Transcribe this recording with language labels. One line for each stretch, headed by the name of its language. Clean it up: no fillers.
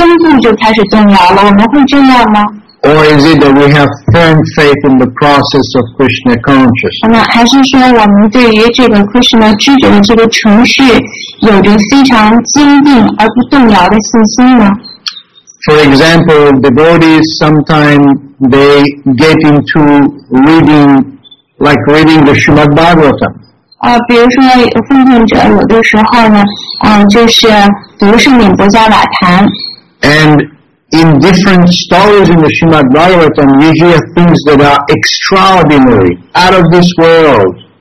Chinese: 那我们有没有过这样的经历呢？当我们听到一些看似是有一些自相矛盾的这个观点的时候，然后呢，我们这个信心呢就开始动摇了，从根部就开始动摇了，我们会这样吗？
English: Or is it that we have firm faith in the process of Krishna consciousness? For example, devotees sometimes they get into reading, like reading the Srimad Bhagavatam.
Chinese: 比如说奉行者有的时候呢，就是读圣顶波迦瓦坛。
English: And in different stories in the Srimad Bhagavatam, you hear things that are extraordinary, out of this world.